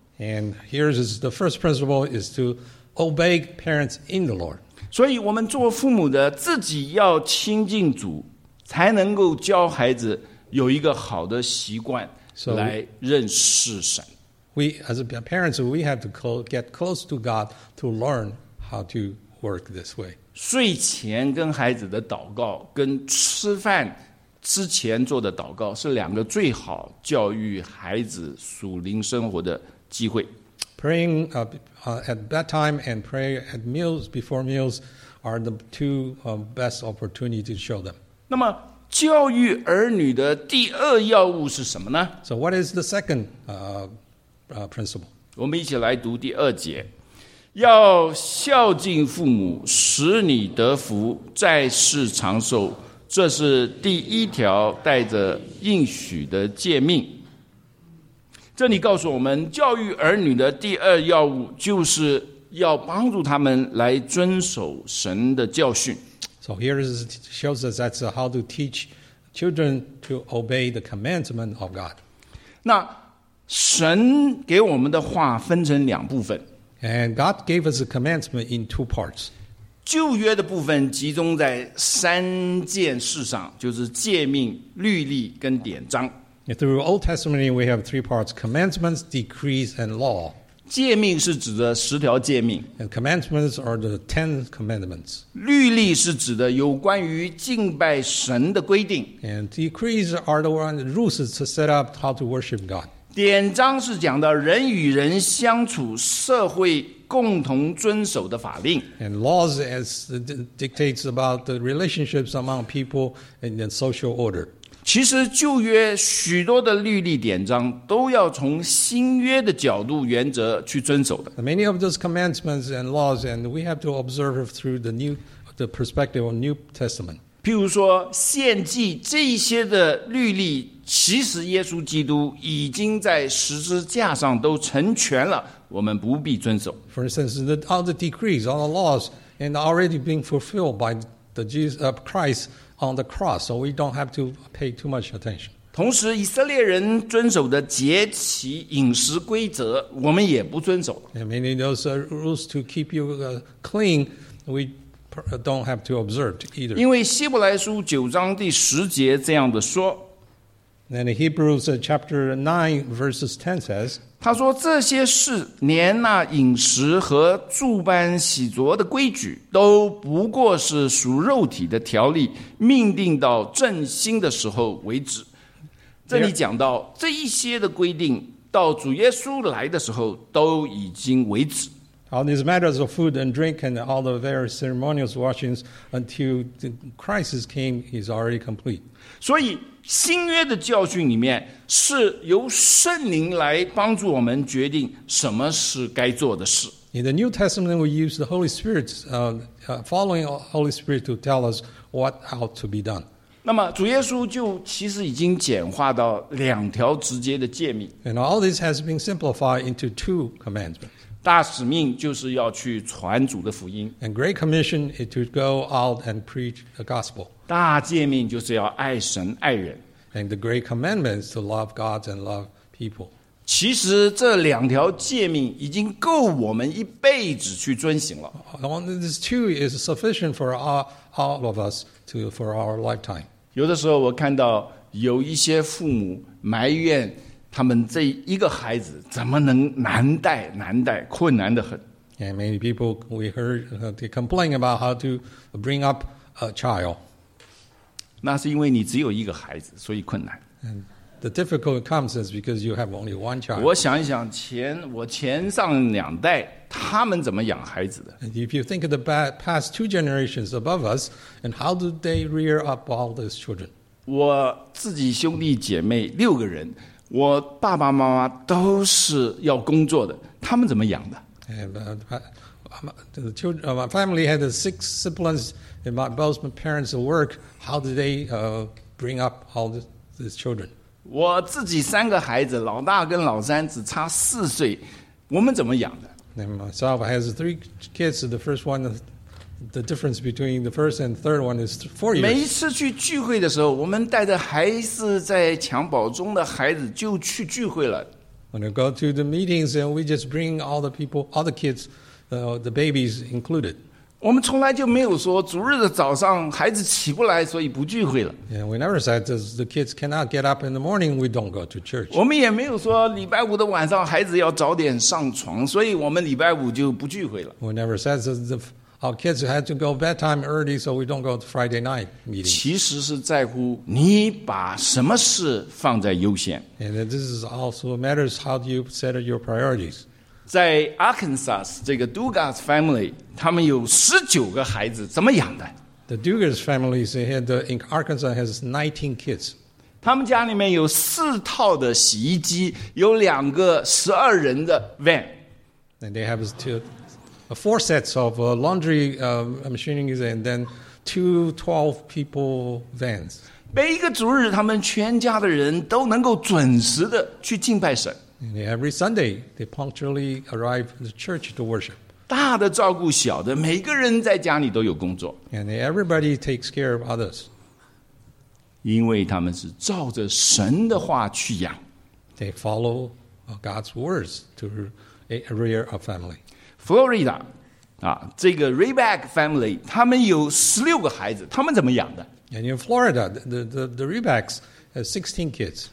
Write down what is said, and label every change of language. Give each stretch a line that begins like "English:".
English: And here is the first principle is to obey parents in the Lord.
Chinese: 所以我们做父母的自己要亲近主，才能够教孩子有一个好的习惯来认识神。
English: We as parents, we have to get close to God to learn how to work this way.
Chinese: 睡前跟孩子的祷告跟吃饭之前做的祷告是两个最好教育孩子属灵生活的机会。
English: Praying at bedtime and prayer at meals before meals are the two best opportunities to show them.
Chinese: 那么教育儿女的第二要务是什么呢
English: ？So what is the second principle?
Chinese: 我们一起来读第二节，要孝敬父母，使你得福，在世长寿。这是第一条带着应许的诫命。这里告诉我们，教育儿女的第二要务就是要帮助他们来遵守神的教训。
English: So here is shows us that's how to teach children to obey the commandment of God.
Chinese: 那神给我们的话分成两部分。
English: And God gave us a commandment in two parts.
Chinese: 旧约的部分集中在三件事上，就是诫命、律例跟典章。
English: Through Old Testament, we have three parts, commandments, decrees, and law.
Chinese: 诫命是指的十条诫命。
English: And commandments are the ten commandments.
Chinese: 律例是指的有关于敬拜神的规定。
English: And decrees are the rules to set up how to worship God.
Chinese: 典章是讲的人与人相处社会共同遵守的法令。
English: And laws as dictates about the relationships among people and the social order.
Chinese: 其实旧约许多的律例典章都要从新约的角度原则去遵守的。
English: Many of those commandments and laws, and we have to observe through the perspective of New Testament.
Chinese: 譬如说献祭这些的律例，其实耶稣基督已经在十字架上都成全了，我们不必遵守。
English: For instance, all the decrees, all the laws, and already being fulfilled by the Jesus of Christ. On the cross, so we don't have to pay too much attention.
Chinese: 同时，以色列人遵守的节期饮食规则，我们也不遵守。
English: And many of those rules to keep you clean, we don't have to observe either.
Chinese: 因为希伯来书九章第十节这样的说。
English: Then Hebrews chapter 9 verses 10 says,
Chinese: 他说这些事连那饮食和住班洗濯的规矩都不过是属肉体的条例，命定到正兴的时候为止。这里讲到这一些的规定到主耶稣来的时候都已经为止。
English: All these matters of food and drink and all the various ceremonial washings until the Christ came is already complete.
Chinese: 所以新约的教训里面是由圣灵来帮助我们决定什么是该做的事。
English: In the New Testament, we use the Holy Spirit, following the Holy Spirit to tell us what ought to be done.
Chinese: 那么主耶稣就其实已经简化到两条直接的诫命。
English: And all this has been simplified into two commandments.
Chinese: 大使命就是要去传主的福音。
English: And great commission is to go out and preach the gospel.
Chinese: 大诫命就是要爱神爱人。
English: And the great commandment is to love God and love people.
Chinese: 其实这两条诫命已经够我们一辈子去遵行了。
English: These two is sufficient for all of us to for our lifetime.
Chinese: 有的时候我看到有一些父母埋怨他们这一个孩子怎么能难带困难得很。
English: And many people we heard they complain about how to bring up a child.
Chinese: 那是因为你只有一个孩子所以困难。
English: And the difficulty comes is because you have only one child.
Chinese: 我想一想我前上两代他们怎么养孩子的。
English: And if you think of the past two generations above us, and how do they rear up all those children?
Chinese: 我自己兄弟姐妹六个人我爸爸妈妈都是要工作的，他们怎么养的
English: ？My family had six siblings, and both my parents work. How did they bring up all these children?
Chinese: 我自己三个孩子，老大跟老三只差四岁，我们怎么养的
English: ？And myself has three kids. The first one, the difference between the first and third one is 4 years.
Chinese: 每一次去聚会的时候，我们带着还是在襁褓中的孩子就去聚会了。
English: When we go to the meetings, and we just bring all the people, all the kids, the babies included.
Chinese: 我们从来就没有说主日的早上孩子起不来，所以不聚会了。
English: Yeah, we never said that the kids cannot get up in the morning. We don't go to church.
Chinese: 我们也没有说礼拜五的晚上孩子要早点上床，所以我们礼拜五就不聚会了。
English: We never said that the Our kids had to go bedtime early, so we don't go to Friday night meeting.
Chinese: 其实是在乎你把什么事放在优先。
English: And this is also matters how do you set your priorities.
Chinese: 在 Arkansas 这个 Dugas family, 他们有19个孩子，怎么养的
English: ？The Dugas family had in Arkansas has 19 kids.
Chinese: 他们家里面有四套的洗衣机，有两个12人的 van.
English: And they have two. Four sets of laundry machinery and then two 12 people vans.
Chinese: 每一个主日，他们全家的人都能够准时的去敬拜神。
English: And every Sunday, they punctually arrive to the church to worship.
Chinese: 大的照顾小的，每个人在家里都有工作。
English: And everybody takes care of others.
Chinese: 因为他们是照着神的话去养。
English: They follow God's words to rear a family.
Chinese: Florida, 啊，这个 Reback family, 他们有16个孩子，他们怎么养的
English: ？And in Florida, the Rebacks have 16 kids.